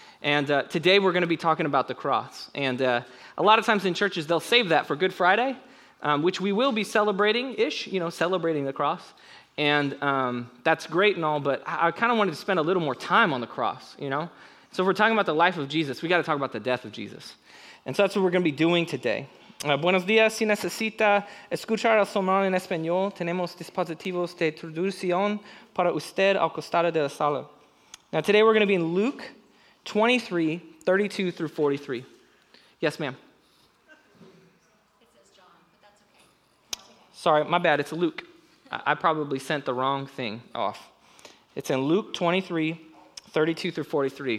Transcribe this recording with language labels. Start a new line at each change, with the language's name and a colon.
English: And today we're going to be talking about the cross. And a lot of times in churches, they'll save that for Good Friday, which we will be celebrating-ish, you know, celebrating the cross. And that's great and all, but I kind of wanted to spend a little more time on the cross, you know? So if we're talking about the life of Jesus, we got to talk about the death of Jesus. And so that's what we're going to be doing today.
Spanish: Buenos días. Si necesita escuchar el sermón en español, tenemos dispositivos de traducción para usted al costado de la sala.
English: Now today we're going to be in Luke 23, 32 through 43. Yes, ma'am. Sorry, my bad, it's Luke. I probably sent the wrong thing off. It's in Luke 23, 32 through 43.